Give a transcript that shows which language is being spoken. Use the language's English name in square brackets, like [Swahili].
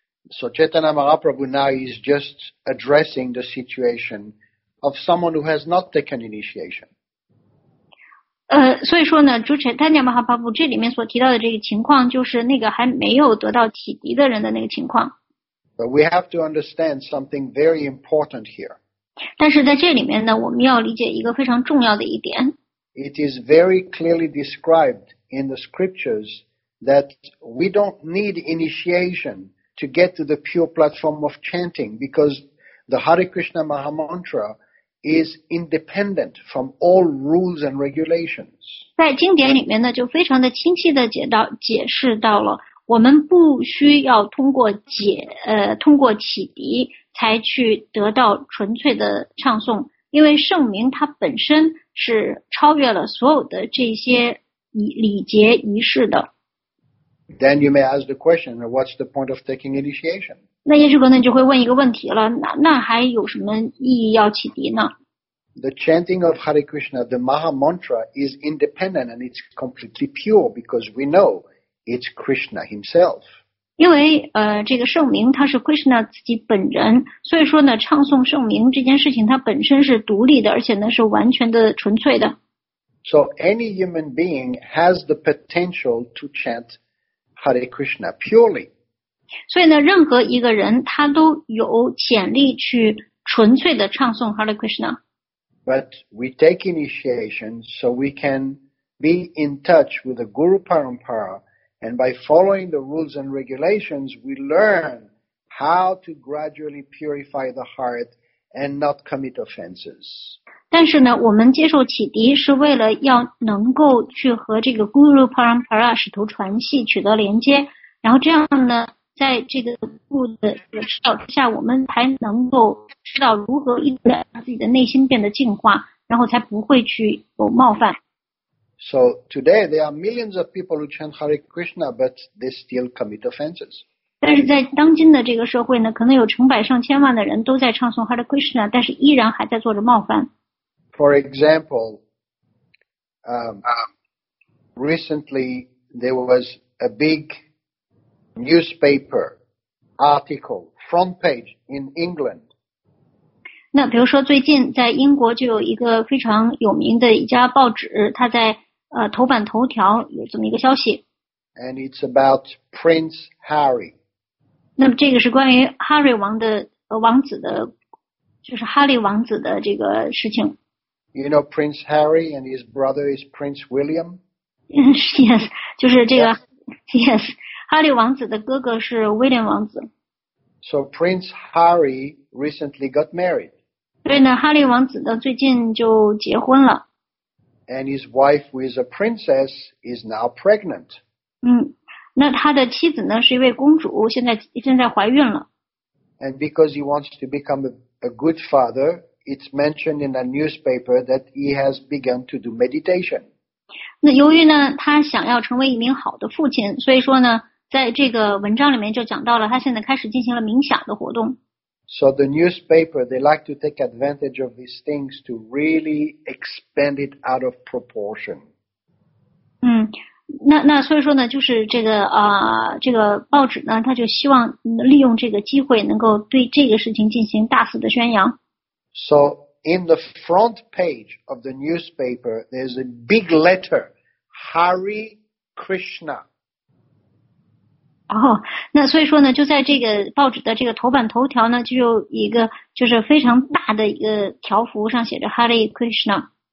[English] So Chaitanya Mahaprabhu now is just addressing the situation of someone who has not taken initiation. [Chinese] 所以说呢，主 Chaitanya Mahaprabhu 这里面所提到的这个情况，就是那个还没有得到启迪的人的那个情况。 [English] But we have to understand something very important here. [Chinese] 但是在这里面呢，我们要理解一个非常重要的一点。 [English] It is very clearly described in the scriptures that we don't need initiation. To get to the pure platform of chanting, because the Hare Krishna Maha Mantra is independent from all rules and regulations. [Chinese] 在经典里面呢，就非常的清晰的解释到了，我们不需要通过启迪才去得到纯粹的唱诵，因为圣名它本身是超越了所有的这些礼节仪式的。 [English] Then you may ask the question, what's the point of taking initiation? [Chinese] 那也许可能就会问一个问题了，那还有什么意义要启迪呢？ [English] The chanting of Hare Krishna, the Maha Mantra, is independent and it's completely pure because we know it's Krishna himself. [Chinese] 因为这个圣名它是 Krishna 自己本人，所以说呢，唱诵圣名这件事情它本身是独立的，而且呢是完全的纯粹的。 [English] So any human being has the potential to chant. Hare Krishna purely. [Chinese] 所以呢，任何一个人他都有潜力去纯粹的唱诵 Hare Krishna. [English] But we take initiation so we can be in touch with the Guru Parampara, and by following the rules and regulations, we learn how to gradually purify the heart and not commit offenses. [Chinese] 但是呢，我们接受启迪是为了要能够去和这个 Guru Parampara 使徒传系取得连接，然后这样呢，在这个部的指导之下，我们才能够知道如何一直让自己的内心变得净化，然后才不会去有冒犯。 [English] So today there are millions of people who chant Hare Krishna, but they still commit offenses. [Chinese] 但是在当今的这个社会呢，可能有成百上千万的人都在唱诵 Hare Krishna， 但是依然还在做着冒犯。 [English] For example, recently there was a big newspaper article, front page in England. [Chinese] 那比如说最近在英国就有一个非常有名的一家报纸，它在头版头条有这么一个消息。 [English] And it's about Prince Harry. [Chinese] 那么这个是关于哈瑞王的王子的，就是哈利王子的这个事情。 [English] You know Prince Harry and his brother is Prince William. [Chinese] Yes, 就是这个 yes. 哈利王子的哥哥是威廉王子。 [English] So Prince Harry recently got married. [Chinese] 对呢，哈利王子呢最近就结婚了。 [English] And his wife, who is a princess, is now pregnant. [Chinese] 那他的妻子呢是一位公主，现在怀孕了。 [English] And because he wants to become a good father, it's mentioned in a newspaper that he has begun to do meditation. [Chinese] 那由于呢他想要成为一名好的父亲，所以说呢在这个文章里面就讲到了他现在开始进行了冥想的活动。 [English] So the newspaper, they like to take advantage of these things to really expand it out of proportion. [Chinese] 那所以说呢，就是这个这个报纸呢，他就希望利用这个机会，能够对这个事情进行大肆的宣扬。 [English] So in the front page of the newspaper, there's a big letter, Hare Krishna. [Chinese] 那所以说呢，就在这个报纸的这个头版头条呢，就有一个就是非常大的一个条幅，上写着 Hare Krishna。